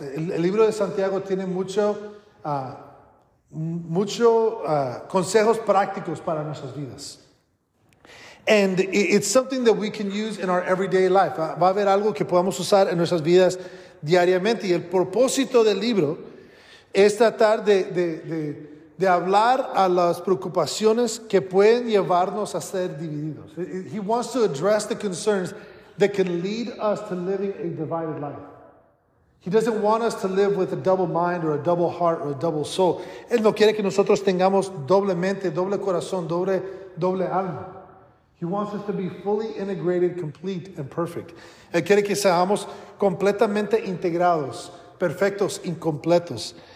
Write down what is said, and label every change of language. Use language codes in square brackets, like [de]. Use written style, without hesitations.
[es] El libro de Santiago tiene mucho consejos prácticos para nuestras vidas. [en] And it's something that we can use in our everyday life. [es] Va a haber algo que podamos usar en nuestras vidas diariamente. Y el propósito del libro es tratar de hablar a las preocupaciones que pueden llevarnos a ser divididos. [en] He wants to address the concerns that can lead us to living a divided life. He doesn't want us to live with a double mind or a double heart or a double soul. [es] Él no quiere que nosotros tengamos doble mente, doble corazón, doble alma. [en] He wants us to be fully integrated, complete, and perfect. [es] Él quiere que seamos completamente integrados, perfectos, incompletos.